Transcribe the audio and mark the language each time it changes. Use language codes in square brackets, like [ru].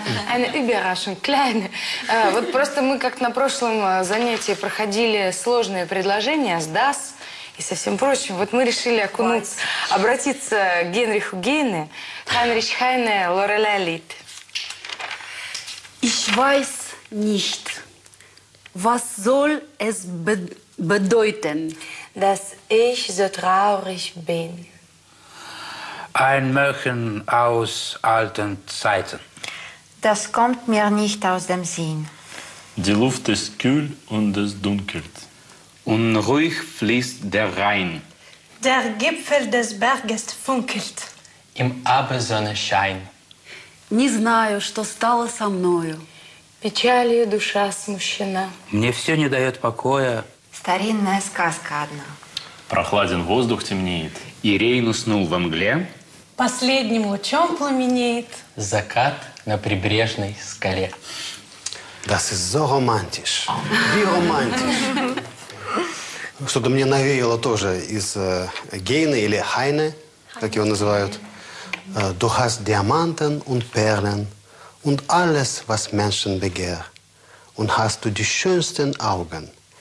[de] Eine Überraschung, kleine. [ru] Вот просто мы как-то на прошлом занятии проходили сложные предложения с das и со всем прочим. Вот мы решили окунуться, обратиться к Генриху Гейне. [de] Heinrich Heine, Lorelei Lied. Ich weiß nicht, was soll es bedeuten, dass ich so traurig bin. Ein Märchen aus alten Zeiten. Das kommt mir nicht aus dem Sinn. Die Luft ist kühl und es dunkelt. Und ruhig fließt der Rhein. Der Gipfel des Berges funkelt. Im Abendsonnenschein. [ru] Не знаю, что стало со мною. Печалью душа смущена. Мне все не дает покоя. Старинная сказка одна. Прохладен воздух темнеет. И Рейн уснул во мгле. Последним лучом пламенеет. Закат на прибрежной скале. [de] Das ist so romantisch. Wie romantisch. [ru] Что-то мне навеяло тоже из Гейне или Хайне, как его называют. [de] Du hast Diamanten und Perlen und alles, was Menschen begehr. Und hast du die schönsten Augen.